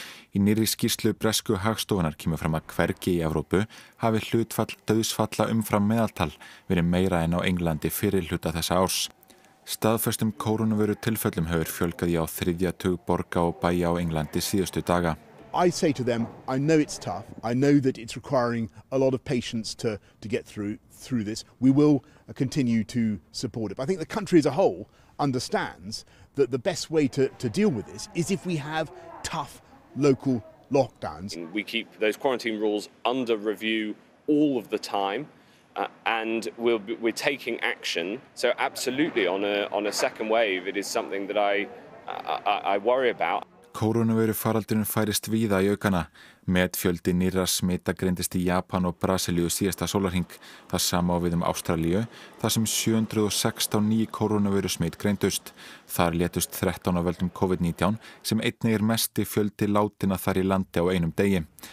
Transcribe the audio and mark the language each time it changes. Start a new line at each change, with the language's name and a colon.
Icelandic: Í nýrri skýrslu bresku hagstofunar kemur fram að hvergi í Evrópu hafi hlutfall dauðsfalla umfram meðaltal verið meira en á Englandi fyrir hluta þessa árs. Staðföstum koronaveiru tilfellum hefur fjölgað í á 3. tug borga og bæja á Englandi síðustu daga.
English: I say to them, I know it's tough. I know that it's requiring a lot of patience to get through this. We will continue to support it. But I think the country as a whole understands that the best way to deal with this is if we have tough local lockdowns. We keep those quarantine rules under review all of the time. And we're taking action. So absolutely on a second wave, it is something that I worry about.
Icelandic: Koronaveiru faraldurinn færist víða í aukana. Metfjöldi nýrra smita greindist í Japan og Brasilíu síðasta sólarhring. Það sama á við Ástralíu, þar sem 716 ný koronaveiru smit greindust. Þar létust 13 af völdum COVID-19 sem einnig mesti fjöldi látina þar í landi á einum degi.